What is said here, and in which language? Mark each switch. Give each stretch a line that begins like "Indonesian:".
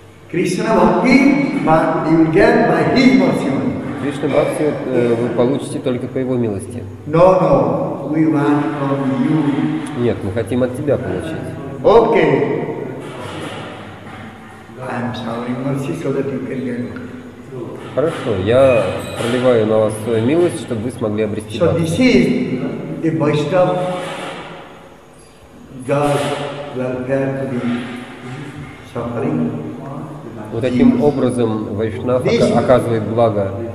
English: Krishna bhakti, but you will get by his mercy.
Russian: Кришна бхакти вы получите только по его милости.
English: No. We want from you.
Russian: Нет, мы хотим от тебя получить.
English: Okay. I'm showing mercy so that you can get.
Russian: Хорошо, я проливаю на вас свою милость, чтобы вы смогли обрести бхакти.
English: So this is the Vaishnav God welfare to the suffering.
Russian: Вот таким образом Вайшнав оказывает благо